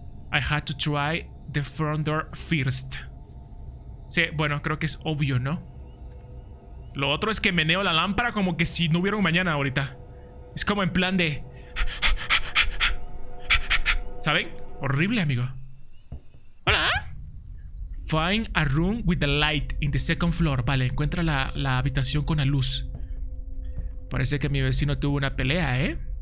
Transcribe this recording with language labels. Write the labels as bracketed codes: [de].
[en] I had to try the front door first. [es] Sí, bueno, creo que es obvio, ¿no? Lo otro es que meneo la lámpara como que si no hubiera un mañana ahorita. Es como en plan de... ¿saben? Horrible, amigo. ¡Hola! [en] Find a room with the light in the second floor. [es] Vale, encuentra la habitación con la luz. Parece que mi vecino tuvo una pelea, ¿eh?